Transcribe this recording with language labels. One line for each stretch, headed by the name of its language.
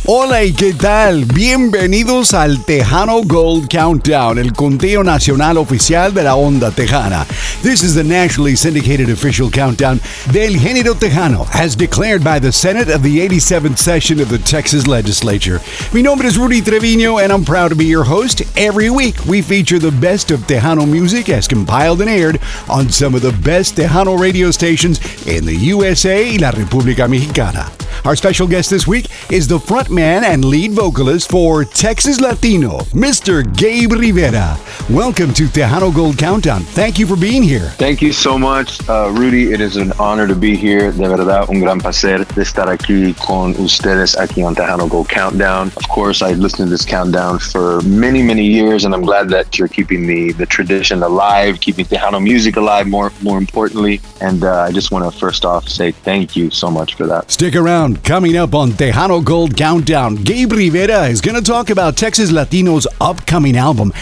Spanish: Hola y qué tal, bienvenidos al Tejano Gold Countdown, el conteo nacional oficial de la onda tejana.
English: This is the nationally syndicated official countdown
Spanish: del género tejano,
English: as declared by the Senate of the 87th session of the Texas Legislature.
Spanish: Mi nombre es Rudy Treviño
English: and I'm proud to be your host. Every week we feature the best of Tejano music as compiled and aired on some of the best Tejano radio stations in the USA
Spanish: y la República Mexicana.
English: Our special guest this week is the frontman and lead vocalist for Texas Latino, Mr. Gabe Rivera. Welcome to Tejano Gold Countdown. Thank you for being here. Thank you so much, Rudy. It is an honor to be here.
Spanish: De verdad, un gran placer de estar aquí con ustedes aquí
English: on Tejano Gold Countdown. Of course, I listened to this countdown for many, many years, and I'm glad that you're keeping the tradition alive, keeping Tejano music alive, more importantly. And I just want to first off say thank you so much for that. Stick around. Coming up on Tejano Gold Countdown, Gabe Rivera is going to talk about Texas Latino's upcoming album.